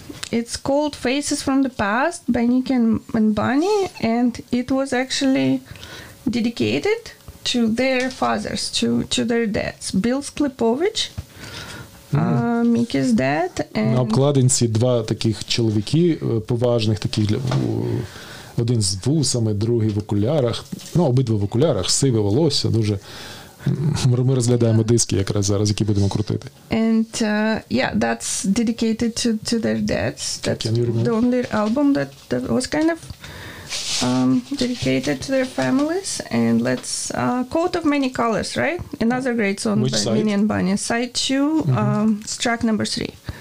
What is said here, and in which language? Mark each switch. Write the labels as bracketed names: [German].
[English] It's called Faces from the Past by Nikki and Bunny, and it was actually dedicated to their fathers, to their dads. Bill Sklipovich, Mickey's dad. [Ukrainian] На обкладинці два таких чоловіки поважних, таких, один з вусами, другий в окулярах. Ну, обидва в окулярах, сиве волосся, дуже Ми розглядаємо диски якраз зараз, які будемо крутити. [English] And yeah, that's dedicated to their dads. That's the only album that was kind of dedicated to their families. And let's Coat of Many Colors, right? Another great song Which by side? Minnie and Bunny. Side 2, it's track number 3.